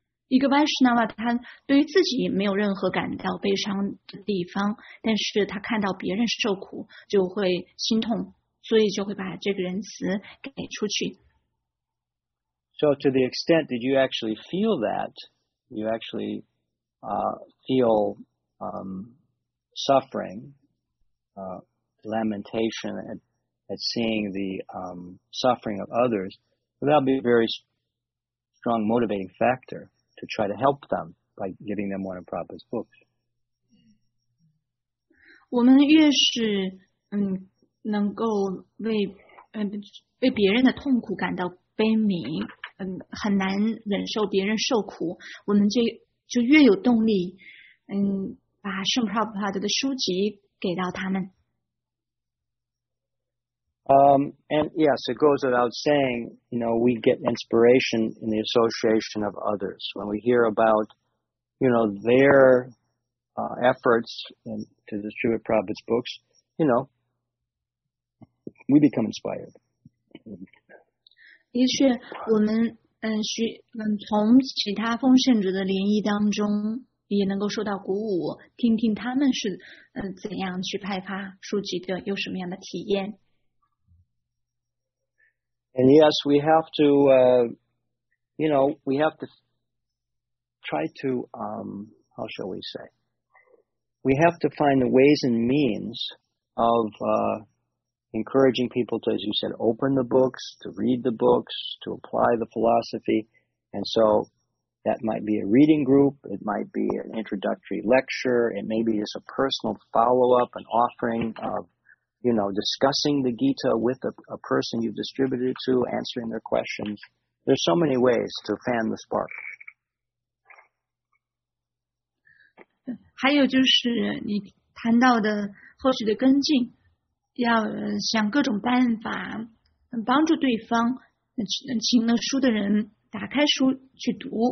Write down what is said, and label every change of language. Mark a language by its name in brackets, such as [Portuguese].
[Chinese] 一个 Vaishnava 他对于自己没有任何感到悲伤的地方，但是他看到别人受苦就会心痛，所以就会把这个仁慈给出去。 [English] So to the extent that you actually feel that, you actually feel suffering, lamentation at seeing the suffering of others, that'll be a very strong motivating factor to try to help them by giving them one of Prabhupada's books. [Chinese] 我们越是能够为别人的痛苦感到悲悯，很难忍受别人受苦，我们就越有动力把圣普拉普拉德的书籍给到他们。 [English] And yes, it goes without saying, you know, we get inspiration in the association of others. When we hear about, you know, their efforts to distribute Prabhupada's books, you know, we become inspired. [Chinese] 的确，我们从其他奉献者的联谊当中也能够受到鼓舞，听听他们是怎样去派发书籍的，有什么样的体验。 [English] And yes, we have to, you know, we have to try to, how shall we say? We have to find the ways and means of encouraging people to, as you said, open the books, to read the books, to apply the philosophy. And so that might be a reading group. It might be an introductory lecture. It may be just a personal follow-up, an offering of, you know, discussing the Gita with a person you've distributed it to, answering their questions. There's so many ways to fan the spark. [Chinese] 还有就是你谈到的后续的跟进，要想各种办法帮助对方，请了书的人打开书去读，